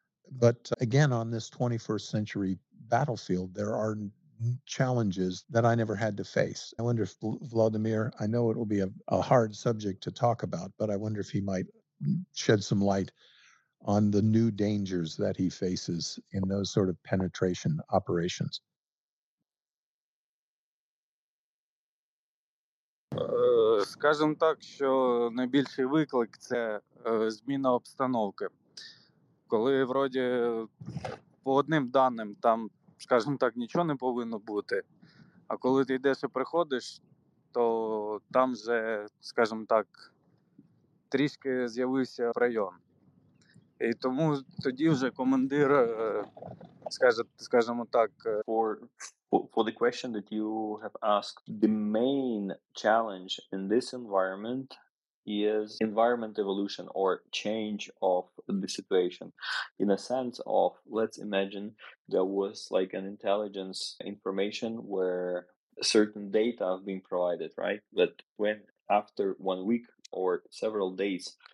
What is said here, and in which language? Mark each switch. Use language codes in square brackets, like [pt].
[en] But again, on this 21st century battlefield, there are challenges that I never had to face. I wonder if Vladimir, I know it will be a hard subject to talk about, but I wonder if he might shed some light on the new dangers that he faces in those sort of penetration operations. [uk] Скажемо так, що найбільший виклик – це зміна обстановки. Коли, вроді, по одним даним там, скажімо так, нічого не повинно бути, а коли ти йдеш і приходиш, то там вже, скажімо так, трішки з'явився район. І тому тоді вже командир, скажімо так, [en] For the question that you have asked, the main challenge in this environment is environment evolution or change of the situation. In a sense of, let's imagine there was like an intelligence information where certain data have been provided, right? But when after 1 week or several days